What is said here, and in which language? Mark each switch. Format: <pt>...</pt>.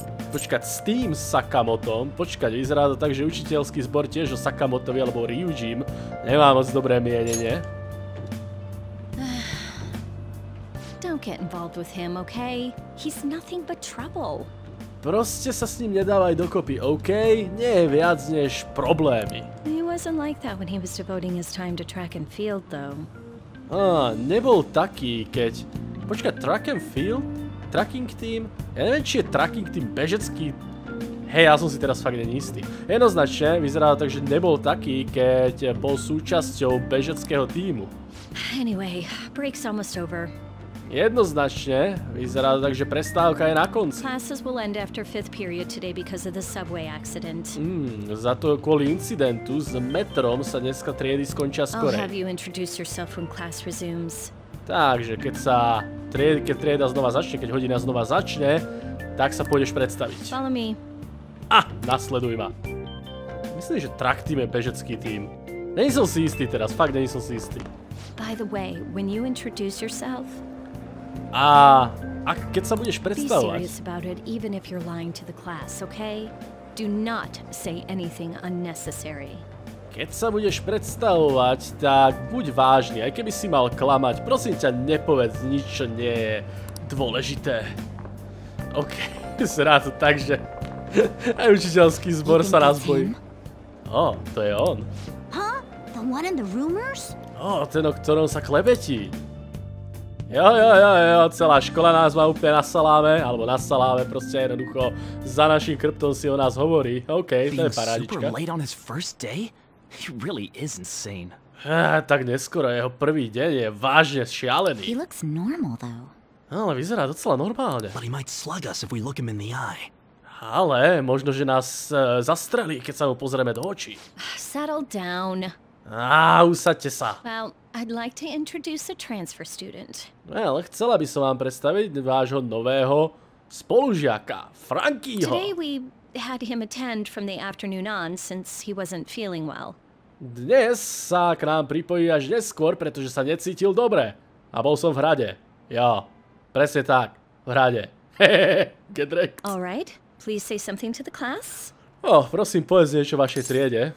<sk>počkať, s tým Sakamotom, počkať, vyzerá to tak, že učiteľský zbor tiež o Sakamotovi alebo Ryujin nemá moc dobré mienenie.</sk> <en>Don't get involved with him, okay? He's nothing but trouble.</en> <sk>Proste sa s ním nedávaj dokopy, okay? Nie je viac než problémy.</sk> <en>He wasn't like that when he was devoting his time to track and field, though.</en> <sk>Nebol taký, keď... Počkaj,</sk> <en>track and field? Tracking team?</en> <sk>Ja neviem, či je tracking team bežecký... Hej, ja som si teraz fakt není istý. Jednoznačne, vyzerá to tak, že nebol taký, keď bol súčasťou bežeckého týmu.</sk> <en>Anyway, break's almost over.</en> <sk>Jednoznačne, vyzerá to tak, že prestávka je na konci.</sk> <en>Classes will end after fifth period today because of the subway accident.</en> <sk>Za to kvôli incidentu s metrom sa dneska triedy skončia skorej.</sk> <en>I'll have you introduce yourself when class resumes.</en> <sk>Takže, keď trieda znova začne, keď hodina znova začne, tak sa pôjdeš predstaviť.</sk> <en>Follow me.</en> <sk>Nasleduj ma. Myslím, že track team je bežecký tým. Není som si istý teraz, fakt není som si istý.</sk> <en>By the way, when you introduce yourself,</en> <sk>A keď sa budeš predstavovať?</sk> <en>Be serious about it, even if you're lying to the class, okay? Do not say anything unnecessary.</en> <sk>Keď sa budeš predstavovať, tak buď vážny, aj keby si mal klamať. Prosím ťa, nepovedz nič, čo nie je dôležité. Okej, okay, zrá to tak, že aj učiteľský zbor sa nás bojí. To je on.</sk> <en>Huh? The one in the rumors?</en> <sk>Ten, o ktorom sa klebetí. Jo, celá škola nás má úplne na saláme, alebo na saláme, proste jednoducho za našim krptom si o nás hovorí. Okej, okay, to je parádička.</sk> <en>Super late on his first day? He really is insane.</en> <sk>Tak neskoro, jeho prvý deň je vážne šialený.</sk> <en>He looks normal though.</en> <sk>Ale vyzerá docela normálne.</sk> <en>But he might slug us if we look him in the eye.</en> <sk>Ale možno, že nás zastrelí, keď sa mu pozrieme do očí.</sk> <en>Settle down.</en> <sk>Usaďte sa.</sk> <en>Well, I'd like to introduce a transfer student.</en> <sk>Well, chcela by som vám predstaviť vášho nového spolužiaka, Frankieho.</sk> <en>Today we had him attend from the afternoon on, since he wasn't feeling well.</en> <sk>Dnes sa k nám pripojí až neskôr, pretože sa necítil dobre. A bol som v hrade. Jo, presne tak, v hrade.</sk> <en>Get wrecked. All right, please say something to the class.</en> <sk>Prosím, povedz niečo vašej triede.</sk>